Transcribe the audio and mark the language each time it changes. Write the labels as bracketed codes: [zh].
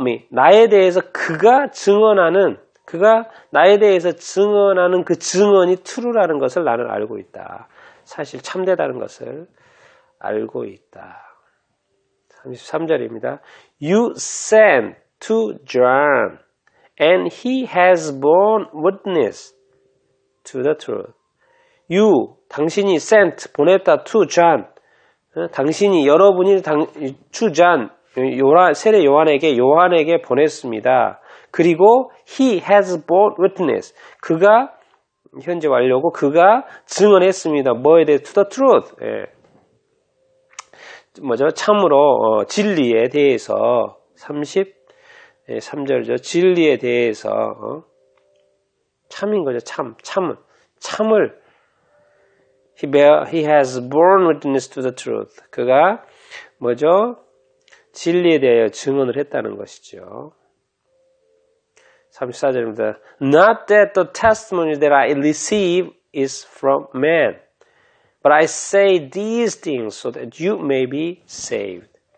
[ko] 나에 대해서 그가 증언하는, 그가 나에 대해서 증언하는 그 증언이 true라는 것을 나는 알고 있다. 사실 참되다는 것을 알고 있다. 33절입니다. [en] You sent to John, and he has borne witness to the truth. [ko] You, 당신이 sent, 보냈다 to John. 당신이, 여러분이 to John, 세례 요한에게 보냈습니다. [en] 그리고 he has borne witness. [ko] 그가, 현재 완료고, 그가 증언했습니다. 뭐에 대해 [en] to the truth. [ko] 예. 뭐죠? 참으로 진리에 대해서 33절이죠. 진리에 대해서 참인 거죠. [en] 참을 he has borne witness to the truth. [ko] 그가 뭐죠? 진리에 대하여 증언을 했다는 것이죠. 34절입니다. [en] Not that the testimony that I receive is from man. But I say these things so that you may be saved.